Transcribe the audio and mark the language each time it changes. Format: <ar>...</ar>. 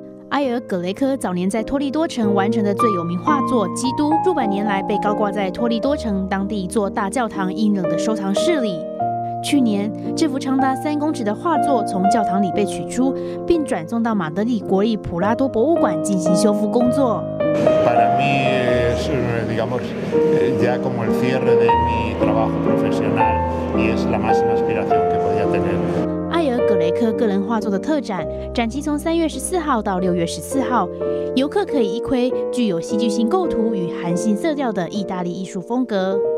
<zh>埃尔·葛雷科早年在托利多城完成的最有名画作《基督》，数百年来被高挂在托利多城当地一座大教堂阴冷的收藏室里。去年，这幅长达3公尺的画作从教堂里被取出，并转送到马德里国立普拉多博物馆进行修复工作。</zh> <es>Para mí es, digamos, ya como el cierre de mi trabajo profesional y es la máxima aspiración que podía tener.</es> <zh>埃尔·葛雷科个人画作的特展，展期从3月14号到6月14号，游客可以一窥具有戏剧性构图与韩系色调的意大利艺术风格。</zh>